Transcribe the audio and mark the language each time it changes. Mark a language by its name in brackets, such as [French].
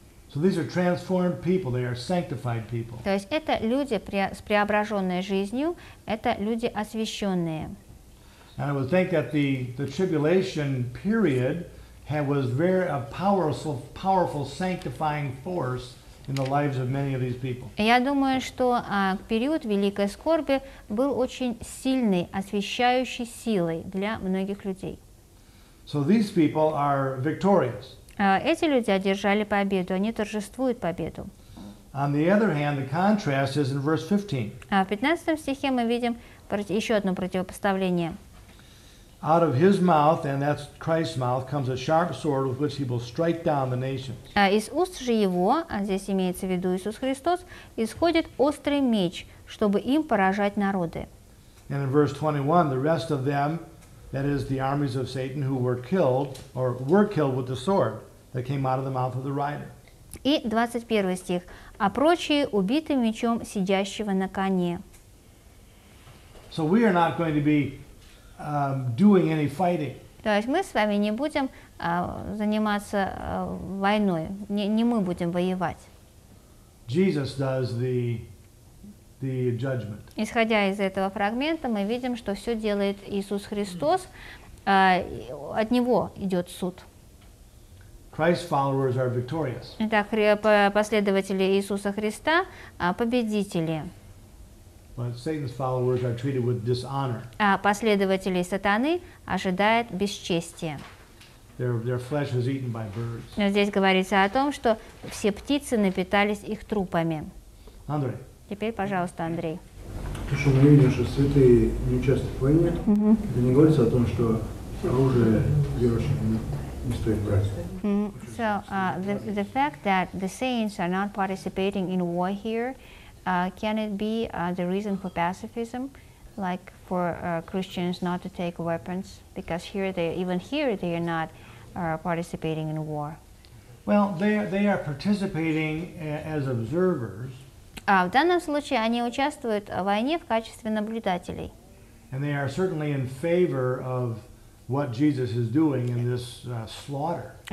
[English] So these are transformed people, they are sanctified people. [Russian] То есть это люди с преображенной жизнью, это люди освященные. [English] And I would think that the tribulation period was very a powerful sanctifying force in the lives of many of these people. [Russian] Я думаю, что период великой скорби был очень сильной освящающей силой для многих людей. [English] So these people are victorious. [Russian] Эти люди одержали победу, они торжествуют победу. [English] On the other hand, the contrast is in verse 15. [Russian] В 15 стихе мы видим еще одно противопоставление. [English] Out of his mouth, and that's Christ's mouth, comes a sharp sword with which he will strike down the nations. [Russian] Из уст же его, а здесь имеется в виду Иисус Христос, исходит острый меч, чтобы им поражать народы. [English] And in verse 21, the rest of them, that is the armies of Satan, who were killed with the sword that came out of the mouth of the rider. [Russian] И 21 стих. А прочие убиты мечом сидящего на коне. [English] So we are not going to be doing any fighting. [Russian] То есть мы с вами не будем заниматься войной, не мы будем воевать. [English] Jesus does the judgment. [Russian] Исходя из этого фрагмента, мы видим, что все делает Иисус Христос, от Него идет суд. [English] Christ's followers are victorious. [Russian] Итак, последователи Иисуса Христа победители. [English] But Satan's followers are treated with dishonor. [Russian] А последователей сатаны ожидает бесчестие. [English] Their flesh is eaten by birds. [Russian] Но здесь говорится о том, что все птицы напитались их трупами. Андрей. Теперь, пожалуйста, Андрей. То, что мы видим, что святые не участвуют в войне, это не говорится о том, что оружие верующих не стоит брать. Mm-hmm. [English] So the fact that the saints are not participating in war here, can it be the reason for pacifism, like for Christians not to take weapons, because even here they are not participating in war? Well, they are participating as observers. [Russian] В данном случае они участвуют в войне в качестве наблюдателей. [English] And they are certainly in favor of what Jesus is doing in this slaughter.